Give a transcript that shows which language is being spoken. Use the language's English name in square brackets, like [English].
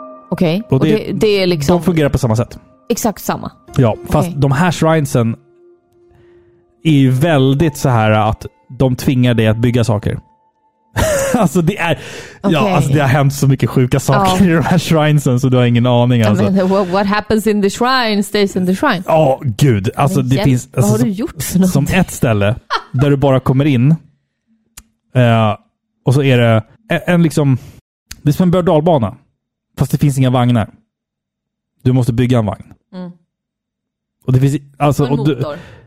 [Swedish] Okej. Okay. Det är liksom... De fungerar på samma sätt. Exakt samma. Ja, fast de här shrinesen är ju väldigt så här att de tvingar dig att bygga saker. Alltså det är... Okay. Ja, alltså det har hänt så mycket sjuka saker i de här shrinesen så du har ingen aning. Alltså. [English] I mean, what happens in the shrine stays in the shrine. [Swedish] Ja, gud. Alltså, det finns, alltså, vad har du gjort? Som ett ställe där du bara kommer in och så är det en liksom... Det är som en bördalbana, fast det finns inga vagnar. Du måste bygga en vagn. Mm. Och det finns... Alltså, en motor.